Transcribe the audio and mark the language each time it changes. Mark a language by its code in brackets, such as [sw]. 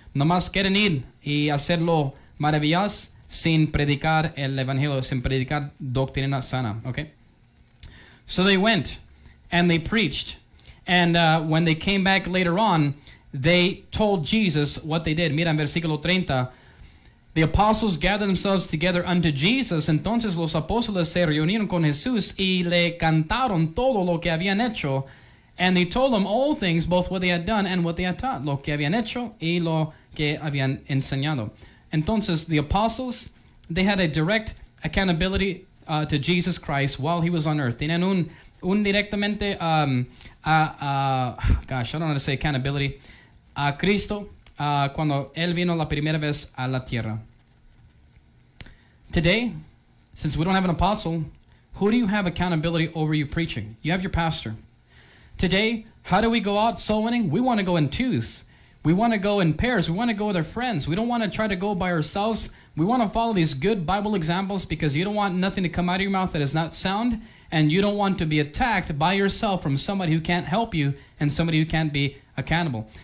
[es] Nomás quieren ir y hacerlo maravillas sin predicar el evangelio, sin predicar doctrina sana. [en] Okay? So they went and they preached. And when they came back later on, they told Jesus what they did. [es] Mira en versículo 30. [en] The apostles gathered themselves together unto Jesus. [es] Entonces los apóstoles se reunieron con Jesús y le cantaron todo lo que habían hecho. [en] And he told them all things, both what they had done and what they had taught. [es] Lo que habían hecho y lo que habían enseñado. [en] Entonces the apostles, they had a direct accountability to Jesus Christ while he was on earth. [es] Tienen un directamente, [en] gosh, I don't want to say accountability, [es] a Cristo. Cuando él vino la primera vez a la tierra. [en] Today, since we don't have an apostle, who do you have accountability over you preaching? You have your pastor. Today, how do we go out soul winning? We want to go in twos. We want to go in pairs. We want to go with our friends. We don't want to try to go by ourselves. We want to follow these good Bible examples because you don't want nothing to come out of your mouth that is not sound, and you don't want to be attacked by yourself from somebody who can't help you and somebody who can't be accountable.